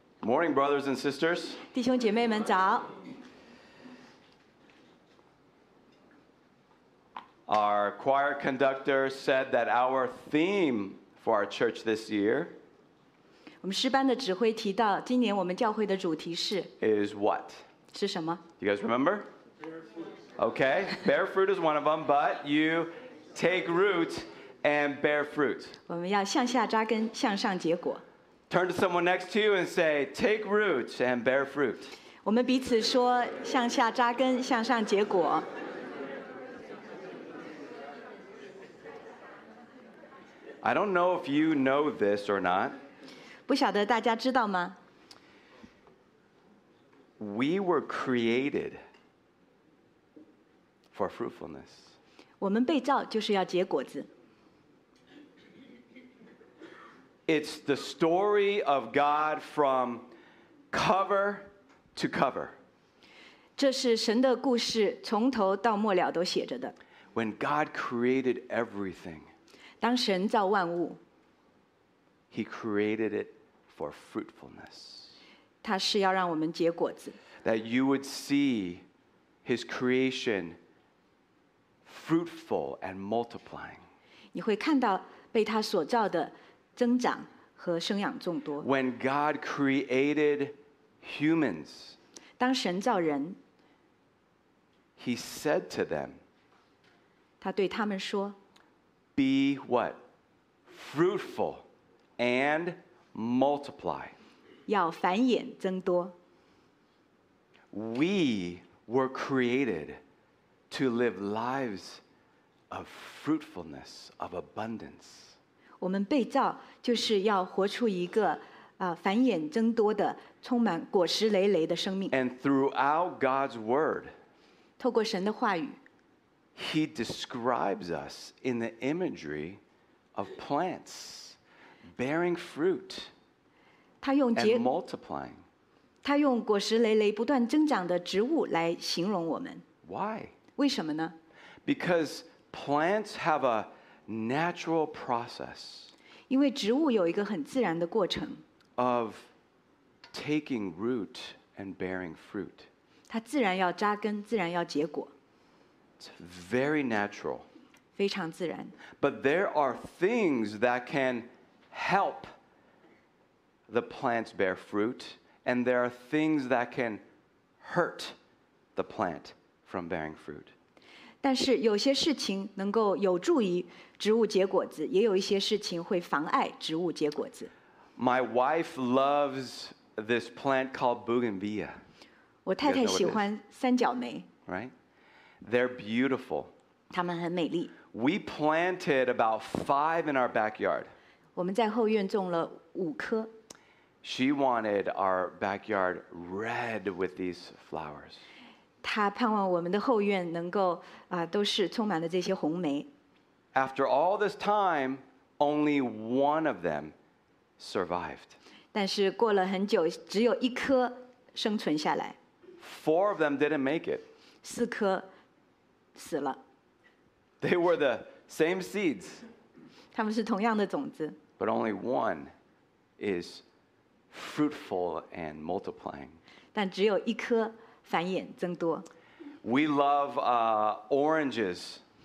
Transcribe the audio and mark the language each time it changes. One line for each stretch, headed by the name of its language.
English: Morning, brothers and sisters.
Chinese: 弟兄姐妹们早。
English: Our choir conductor said that our theme for our church this year.
Chinese: 我们诗班的指挥提到，今年我们教会的主题是。
English: Is what?
Chinese: 是什么
English: ？You guys remember? Okay, bear fruit is one of them, but you take root and bear fruit.
Chinese: 我们要向下扎根，向上结果。
English: Turn to someone next to you and say, take root and bear fruit.
Chinese: 我们彼此说，向下扎根，向上结果。
English: I don't know if you know this or not.
Chinese: 不晓得大家知道吗？
English: We were created. For fruitfulness.
Chinese: 我们被造就是要结果子。
English: It's the story of God from cover to cover.
Chinese: 这是神的故事，从头到末了都写着的。
English: When God created everything,
Chinese: 当神造万物，
English: He created it for fruitfulness.
Chinese: 他是要让我们结果子。
English: That you would see His creation. Fruitful and multiplying.
Chinese: 你会看到被他所造的增长和生养众多。
English: When God created humans,
Chinese: 当神造人
English: He said to them,
Chinese: 他对他们说
English: Be what? Fruitful and multiply.
Chinese: 要繁衍增多。
English: We were created to live lives. Of fruitfulness, of abundance.
Chinese: 我们被造就是要活出一个繁衍增多的充满果实累累的生命。
English: And throughout God's word,
Chinese: 透过神的话语
English: He describes us in the imagery of plants bearing fruit and multiplying.
Chinese: 他用果实累累不断增长的植物来形容我们。
English: Why?
Chinese: 为什么呢
English: Because Plants have a natural process.
Chinese: 因为植物有一个很自然的过程。
English: Of taking root and bearing fruit.
Chinese: 它自然要扎根，自然要结果。
English: It's very natural.
Chinese: 非常自然。
English: But there are things that can help the plants bear fruit, and there are things that can hurt the plant from bearing fruit.
Chinese: 但是有些事情能够有助于植物结果子，也有一些事情会妨碍植物结果子。
English: My wife loves this plant called bougainvillea.
Chinese: 我太太喜欢三角梅。
English: Right? They're beautiful.
Chinese: 它们很美丽。
English: We planted about 5 in our backyard.
Chinese: 我们在后院种了5棵。
English: She wanted our backyard red with these flowers.
Chinese: 他盼望我们的后院能够都是充满了这些红梅。
English: After all this time, only one of them survived.
Chinese: 但是过了很久，只有一颗生存下来。
English: 4 of them didn't make it.
Chinese: 四颗死了。
English: They were the same seeds.
Chinese: 他们是同样的种子。
English: But only one is fruitful and multiplying.
Chinese: 但只有一颗。繁衍增多。
English: We love oranges.